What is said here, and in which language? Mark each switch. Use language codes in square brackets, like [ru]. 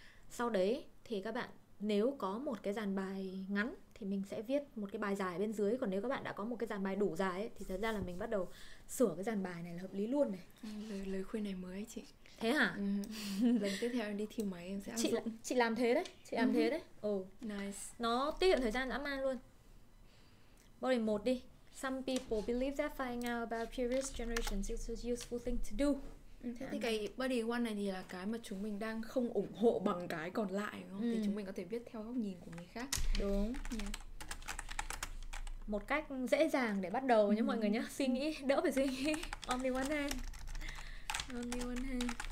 [vi] Sau đấy thì các bạn nếu có một cái dàn bài ngắn thì mình sẽ viết một cái bài dài bên dưới. Còn nếu các bạn đã có một cái dàn bài đủ dài ấy, thì thật ra là mình bắt đầu sửa cái dàn bài này là hợp lý luôn này. Lời khuyên này mới chị. Thế hả? Lần tiếp theo em đi thi máy em sẽ áp dụng. Chị làm thế đấy, chị làm thế đấy. [en] Nice. [vi] Nó tiết kiệm thời gian dã man luôn. Body 1 đi. [en] Some people believe that finding out about previous generations is a useful thing to do. [vi] Thế thì cái body one này thì là cái mà chúng mình đang không ủng hộ bằng cái còn lại đúng không? Thì chúng mình có thể viết theo góc nhìn của người khác. Đúng. [en] Yeah. [vi] Một cách dễ dàng để bắt đầu nhé mọi người nhé. Suy nghĩ, đỡ phải suy nghĩ. [en] Only one hand. Only one hand.